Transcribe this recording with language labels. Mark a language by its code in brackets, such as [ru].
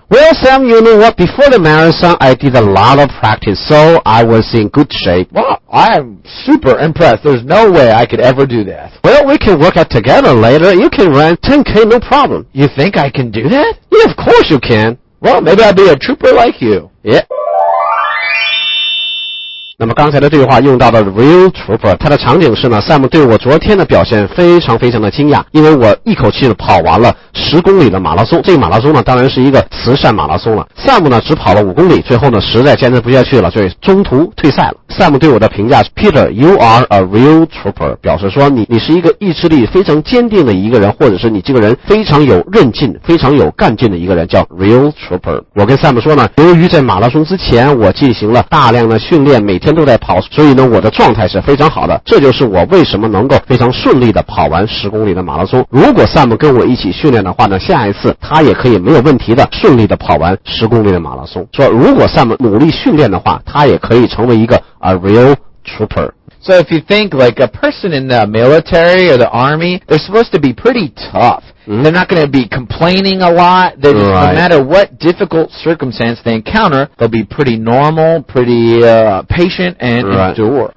[en] Well, Sam, you know what? Before the marathon, I did a lot of practice, so I was in good shape. Well, I'm super impressed. There's no way I could ever do that. Well, we can work out together later. You can run 10K, no problem. You think I can do that? Yeah, of course you can. Well, maybe I'll be a trooper like you. Yeah. [zh] 那么刚才的对话用到了 real trooper, 它的场景是呢 ,Sam 对我昨天的表现非常非常的惊讶，因为我一口气跑完了10公里的马拉松，这个马拉松呢当然是一个慈善马拉松了。 Sam 呢只跑了5公里，最后呢实在坚持不下去了，所以中途退赛了。 Sam 对我的评价是 ,Peter, [en] you are a real trooper, [zh] 表示说你是一个意志力非常坚定的一个人，或者是你这个人非常有韧劲，非常有干劲的一个人，叫 real trooper。我跟 Sam 说呢，由于在马拉松之前我进行了大量的训练，每天都在跑，所以呢我的状态是非常好的，这就是我为什么能够非常顺利的跑完10公里的马拉松。如果 Sam 跟我一起训练的话呢，下一次他也可以没有问题的顺利的跑完10公里的马拉松。说如果 Sam 努力训练的话，他也可以成为一个 a real trooper。 [en] So if you think like a person in the military or the army, they're supposed to be pretty tough. Mm-hmm. They're not going to be complaining a lot. Right. No matter what difficult circumstance they encounter, they'll be pretty normal, pretty patient and endure.